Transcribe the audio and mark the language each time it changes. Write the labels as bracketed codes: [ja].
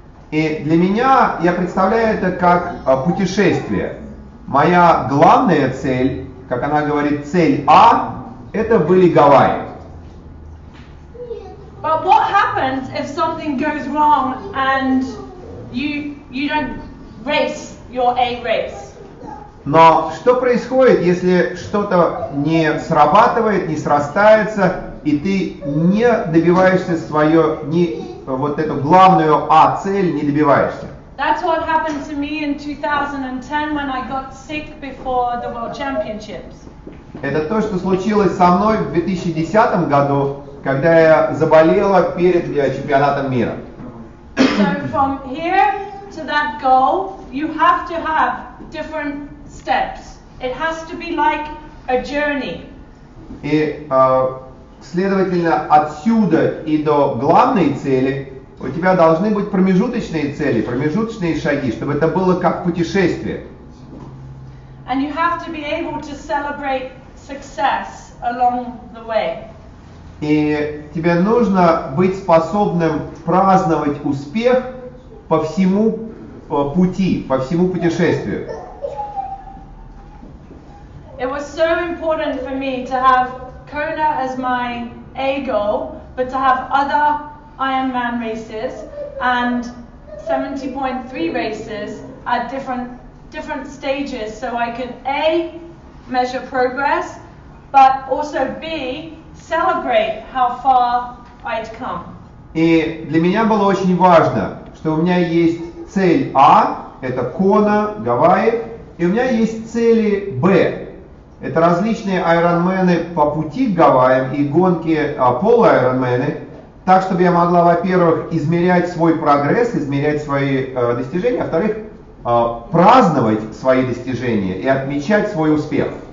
[ru] И для меня я представляю это как путешествие. Моя главная цель, как она говорит, цель А, это были Гавайи. [en] But what happens if something goes wrong and you don't race your A race? [ru] Но что происходит, если что-то не срабатывает, не срастается, и ты не добиваешься свое не вот эту главную А-цель не добиваешься. [en] That's what happened to me in 2010 when I got sick before the World Championships. [ru] Это то, что случилось со мной в 2010 году, когда я заболела перед чемпионатом мира. [en] So from here to that goal, you have to have different steps. It has to be like a journey. [ru] И следовательно, отсюда и до главной цели у тебя должны быть промежуточные цели, промежуточные шаги, чтобы это было как путешествие. [en] And you have to be able to celebrate success along the way. [ru] И тебе нужно быть способным праздновать успех по всему пути, по всему путешествию. [en] It was so important for me to have Kona as my A goal, but to have other Iron Man races and 70.3 races at different stages, so I could A, measure progress, but also B, celebrate how far I'd come. [ru] И для меня было очень важно, что у меня есть цель А, это Кона, Гавайи, и у меня есть цели Б, это различные айронмены по пути к Гавайям и гонки полуайронмены, так, чтобы я могла, во-первых, измерять свой прогресс, измерять свои достижения, а во-вторых, праздновать свои достижения и отмечать свой успех.